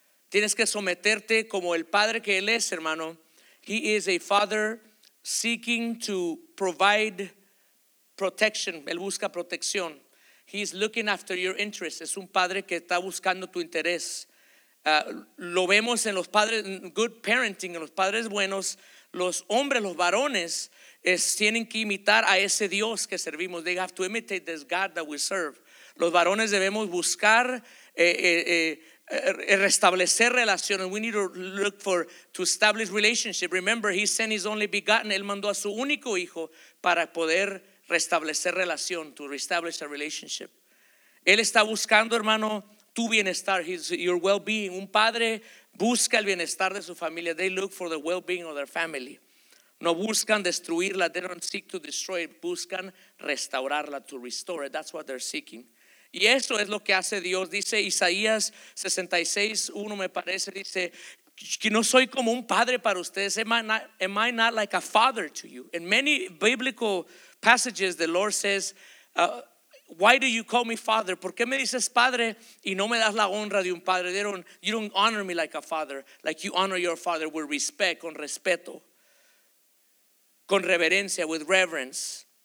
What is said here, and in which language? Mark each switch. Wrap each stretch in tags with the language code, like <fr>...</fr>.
<es>Tienes que someterte como el Padre que Él es, hermano.</es> <en>He is a Father seeking to provide protection.</en> <es>Él busca protección.</es> <en>He is looking after your interests.</en> <es>Es un Padre que está buscando tu interés. Lo vemos en los padres,</es> <en>good parenting,</en> <es>en los padres buenos. Los hombres, los varones, tienen que imitar a ese Dios que servimos.</es> <en>They have to imitate this God that we serve.</en> <es>Los varones debemos buscar restablecer relaciones.</es> <en>We need to look for to establish relationship. Remember, He sent His only begotten.</en> <es>Él mandó a su único hijo para poder restablecer relación,</es> <en>to reestablish a relationship.</en> <es>Él está buscando, hermano, tu bienestar,</es> <en>your well-being.</en> <es>Un padre busca el bienestar de su familia.</es> <en>They look for the well-being of their family.</en> <es>No buscan destruirla.</es> <en>They don't seek to destroy it.</en> <es>Buscan restaurarla,</es> <en>to restore it. That's what they're seeking.</en> <es>Y eso es lo que hace Dios. Dice Isaías 66:1, me parece. Dice que no soy como un padre para ustedes.</es> <en>Am I not like a father to you? In many biblical passages, the Lord says, why do you call me father?</en> <es>¿Por qué me dices padre y no me das la honra de un padre?</es> <en>You don't honor me like a father, like you honor your father with respect,</en> <es>con respeto, con reverencia,</es> <en>with reverence.</en>